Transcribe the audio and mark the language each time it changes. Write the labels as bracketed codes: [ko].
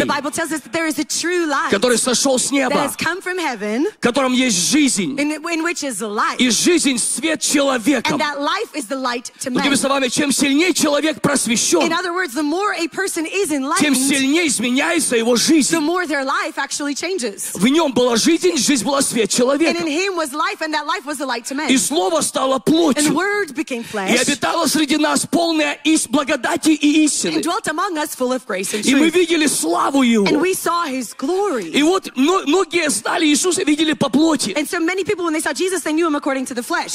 [en] The Bible tells us that there is a true light. [ru] Который сошел с неба. [en] That has come from heaven. [ru] В котором есть жизнь. [en] In which is life. [ru] И жизнь свет человеком. [en] And that life is the light to men. [ru] Другими словами, чем сильнее человек просвещен, [en] in other words, the more a person is enlightened, [ru] тем сильнее изменяется его жизнь. [en] The more their life actually changes. [ru] В нем была жизнь, жизнь была свет человека. [en] And in him was life, and that life was the light to men. [ru] И слово стало плотью. [en] And word became flesh. [ru] И обитало среди нас полное благодати и истины. [en] And dwelt among us full of grace and truth. [ru] И мы видели славу его. [en] And we saw his glory. [ru] И вот многие знали Иисуса и видели по плоти. [en] And so many people, when they saw Jesus, they knew him according to the flesh.